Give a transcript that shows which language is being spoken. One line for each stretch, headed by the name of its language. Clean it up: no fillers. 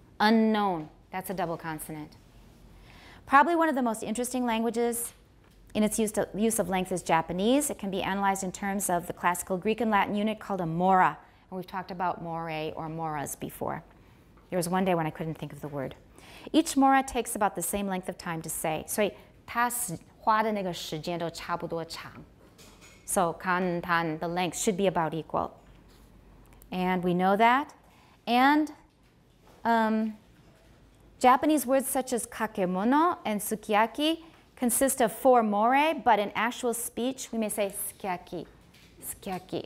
English: Unknown, that's a double consonant. Probably one of the most interesting languages in its use of length is Japanese. It can be analyzed in terms of the classical Greek and Latin unit called a mora. And we've talked about more or moras before. There was one day when I couldn't think of the word. Each mora takes about the same length of time to say.
Chinese: So, 它花的那个时间都差不多长.
English: So, 感叹, the length should be about equal. And we know that. And Japanese words such as kakemono and sukiyaki consist of four more, but in actual speech, we may say sukiyaki. Sukiyaki.